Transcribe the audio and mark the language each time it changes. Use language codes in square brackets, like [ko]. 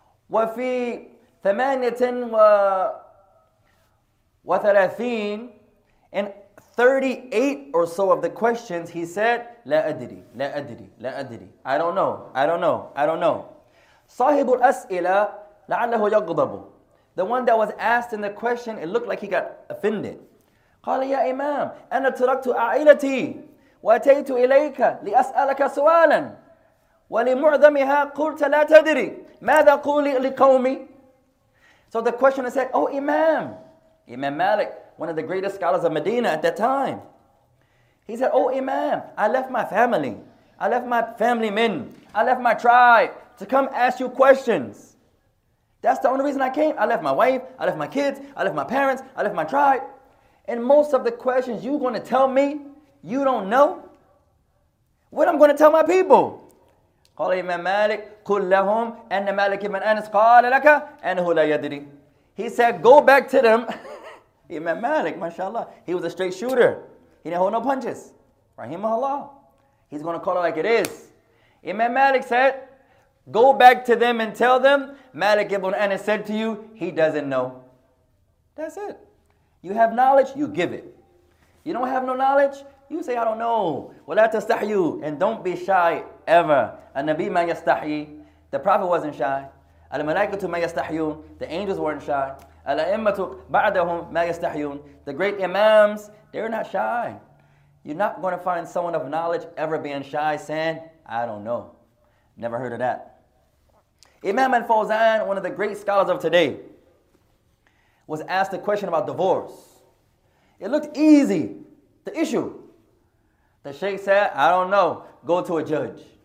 [ar] وفي ثمانية وثلاثين, [en] in 38 or so of the questions, he said, [ar] لا أدري, لا أدري, لا أدري. [en] I don't know, I don't know, I don't know. [ar] صاحب الأسئلة لعله يغضب. [en] The one that was asked in the question, it looked like he got offended. [ar] قال يا إمام, أنا تركت عائلتي وأتيت إليك لأسألك سؤالا. ولمعظمها قلت لا تدري ماذا قول لقومي. [en] So the questioner said, oh Imam, Imam Malik, one of the greatest scholars of Medina at that time. He said, oh Imam, I left my family. I left my family men. I left my tribe to come ask you questions. That's the only reason I came. I left my wife, I left my kids, I left my parents, I left my tribe. And most of the questions you're going to tell me, you don't know what I'm going to tell my people. [ar] قال إمام مالك قل لهم أن مالك بن أنس قال لك أنه لا يدري. [en] He said, go back to them. إمام مالك, mashallah. He was a straight shooter. He didn't hold no punches. [ar] رحمه الله. [en] He's going to call it like it is. إمام مالك said, go back to them and tell them, مالك بن أنس said to you, he doesn't know. That's it. You have knowledge, you give it. You don't have no knowledge, you say, I don't know. [ar] ولا تستحيوا. [en] And don't be shy ever. [ar] النبي ما يستحي. [en] The Prophet wasn't shy. [ar] الملائكة ما يستحيون. [en] The angels weren't shy. [ar] الأئمة بعدهم ما يستحيون. [en] The great imams, they're not shy. You're not going to find someone of knowledge ever being shy saying, I don't know. Never heard of that. Imam Al-Fawzan, one of the great scholars of today, was asked a question about divorce. It looked easy, the issue. The sheikh said, I don't know, go to a judge.